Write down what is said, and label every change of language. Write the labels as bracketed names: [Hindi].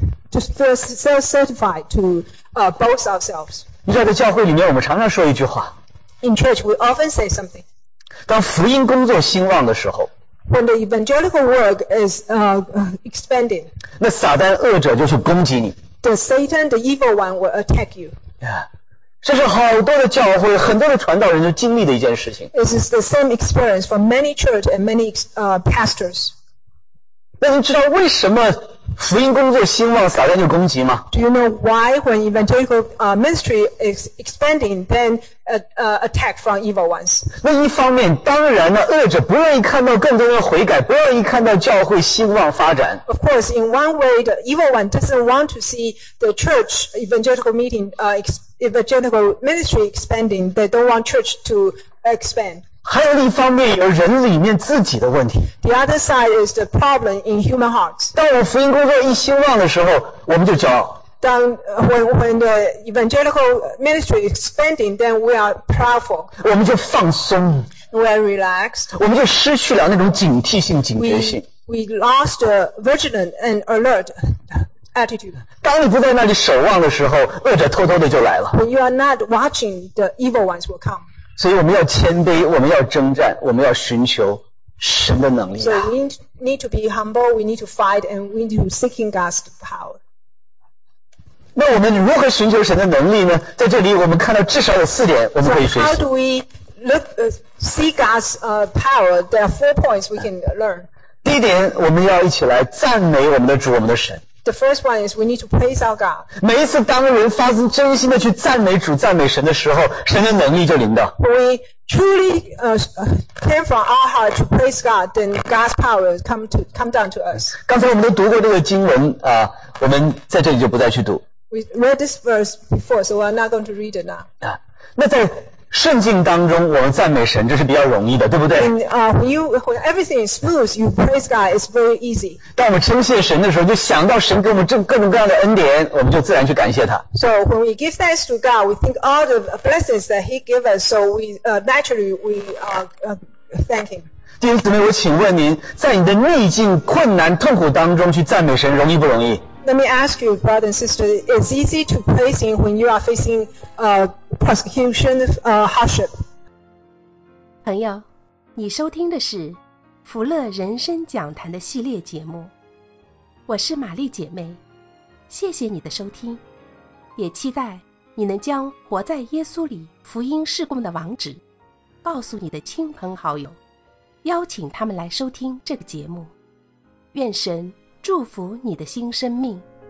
[English] To feel self-certified, to boast ourselves. [Chinese] 你知道在教会里面我们常常说一句话。 [English] In church, we often say something. [Chinese] 当福音工作兴旺的时候 [English] When the evangelical work is expanding [Chinese] 那撒旦恶者就去攻击你 [English] The Satan, the evil one will attack you、 yeah. [Chinese] 这是好多的教会很多的传道人都经历的一件事情 [English] This is the same experience for many church and many pastors [Chinese] 那你知道为什么福音工作兴旺撒旦就攻击吗 [English] Do you know why when evangelical ministry is expanding thenattack from evil ones. [Chinese] 那一方面当然呢恶者不愿意看到更多人悔改不愿意看到教会兴旺发展。 [English] Of course, in one way, the evil one doesn't want to see the church evangelical meeting, evangelical ministry expanding. They don't want church to expand. [Chinese] 还有一方面有人里面自己的问题。 [English] The other side is the problem in human hearts. [Chinese] 当我福音工作一兴旺的时候我们就骄傲。 [English] When the evangelical ministry is expanding, then we are proudful. [Chinese] 我们就放松。 [English] We are relaxed. [Chinese] 我们就失去了那种警惕性、警觉性。 [English] We lost a vigilant and alert attitude. [Chinese] 当你不在那里守望的时候，恶者偷偷的就来了。 [English] When you are not watching, the evil ones will come. [Chinese] 所以我们要谦卑，我们要征战，我们要寻求神的能力、啊。 [English] So we need to be humble. We need to fight, and we need to seeking God's power. [Chinese] 那我们如何寻求神的能力呢？在这里我们看到至少有四点我们可以学习。 [English] How do we look, see God's power? There are four points we can learn. [Chinese] 第一点我们要一起来赞美我们的主我们的神。 [English] The first one is we need to praise our God. [Chinese] 每一次当人发自真心的去赞美主赞美神的时候神的能力就临到。 [English] We truly came from our heart to praise God, then God's power come down to us. [Chinese] 刚才我们都读过这个经文啊我们在这里就不再去读。 [English] We read this verse before, so we're not going to read it now. [Chinese] 那在顺境当中，我们赞美神，这是比较容易的，对不对？ [English] When everything is smooth, you praise God, it's very easy. [Chinese] 当我们称谢神的时候，就想到神给我们这各种各样的恩典，我们就自然去感谢他。 [English] So when we give thanks to God, we think all the blessings that He gave us, so we naturally we thank Him. [Chinese] 弟兄姊妹，我请问您，在你的逆境、困难、痛苦当中去赞美神，容易不容易？ [English] Let me ask you, brother and sister, it's easy to praise Him when you are facing persecution, hardship. [Chinese] 朋友，你收听的是福乐人生讲坛的系列节目。我是玛丽姐妹，谢谢你的收听，也期待你能将活在耶稣里福音事工的网址告诉你的亲朋好友，邀请他们来收听这个节目。愿神祝福你的新生命。